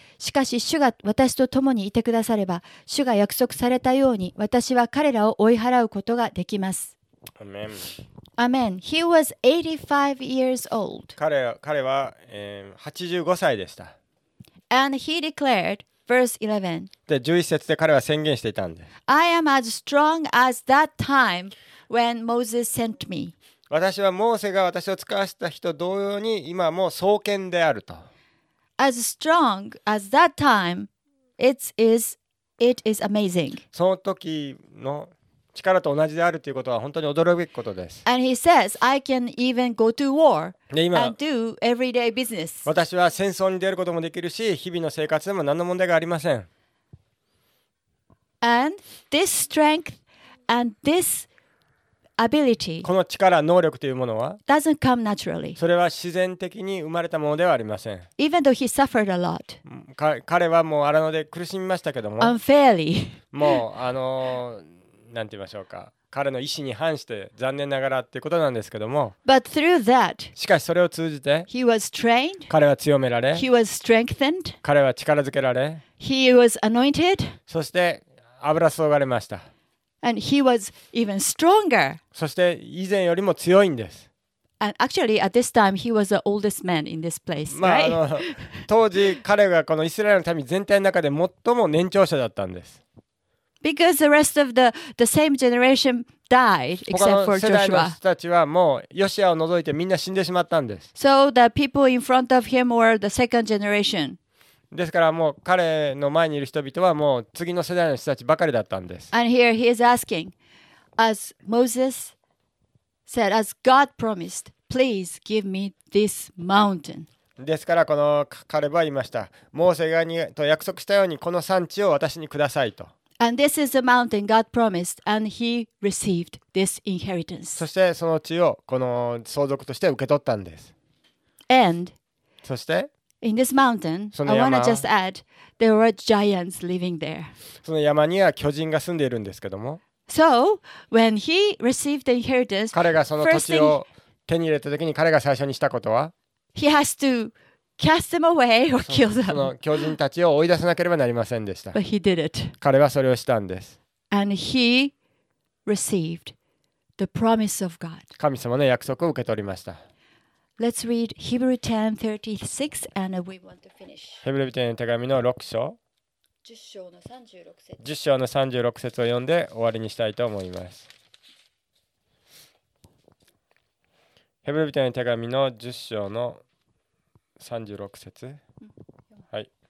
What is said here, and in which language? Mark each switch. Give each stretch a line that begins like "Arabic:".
Japanese: しかし主が私と共にいてくだされば、主が約束されたように私は彼らを追い払うことができます。アメン。
English: アメン。He was 85 years old.
Japanese: 彼は、85歳でした。
English: And he declaredVerse 11.
Japanese: で、11節で彼は宣言していたんで。
English: I am as strong as that time when Moses sent me.
Japanese: 私はモーセが私を使わせた人同様に今も壮健であると。
English: As strong as that time, it is amazing.
Japanese: その時の力と同じであるということは本当に驚くべきことです。
English: And he says, I can even go to war and do everyday business.
Japanese: 私は戦争に出ることもできるし、日々の生活でも何の問題がありません。
English: And this strength and this ability,
Japanese: この力、能力というものは、
English: doesn't come naturally.
Japanese: それは自然的に生まれたものではありません。
English: Even though he suffered a lot.
Japanese: 彼はもう荒野で苦しみましたけども、
English: unfairly.
Japanese: もうなんて言いましょうか、彼の意思に反して残念ながらっていうことなんですけども、
English: But through that,
Japanese: しかしそれを通じて
English: he was trained,
Japanese: 彼は強められ、
English: he was strengthened,
Japanese: 彼は力づけられ、
English: he was anointed,
Japanese: そして油注がれました。
English: and he was even stronger,
Japanese: そして以前よりも強いんです。
English: Actually, at this time, he was the oldest man in this place, right?
Japanese: まあ、当時彼がこのイスラエルの民全体の中で最も年長者だったんです。
English: Because the rest of the same generation died except for Joshua.
Japanese: 他の世代の人たちはもうヨシアを除いてみんな死んでしまったんです。
English: So the people in front of him were the second generation.
Japanese: ですからもう彼の前にいる人々はもう次の世代の人たちばかりだったんです。
English: And here he is asking, as Moses said, as God promised, please give me this mountain.
Japanese: ですからこのカレブは言いました。モーセがにと約束したようにこの産地を私にくださいと。
English: And this is the mountain God promised, and he received this inheritance.
Japanese: そしてその地をこの相続として受け取ったんです。
English: And
Japanese: そして
English: in this mountain, I want to just add, there were giants living there.
Japanese: その山には巨人が住んでいるんですけども。
English: So when he received the inheritance,
Japanese: 彼がその土地を手に入れた時に彼が最初にしたことは、
English: He has to cast them away or kill them.
Japanese: その巨人たちを追い出さなければなりませんでした。
English: But he did it.
Japanese: 彼はそれをしたんです。
English: And he received the promise of God.
Japanese: 神様の約束を受け取りました。
English: Let's read Hebrew 10:36 and we want to finish.
Japanese: ヘブル人への手紙の6章。 10章の36節を読んで終わりにしたいと思います。ヘブル人への手紙の10章の36節、はい、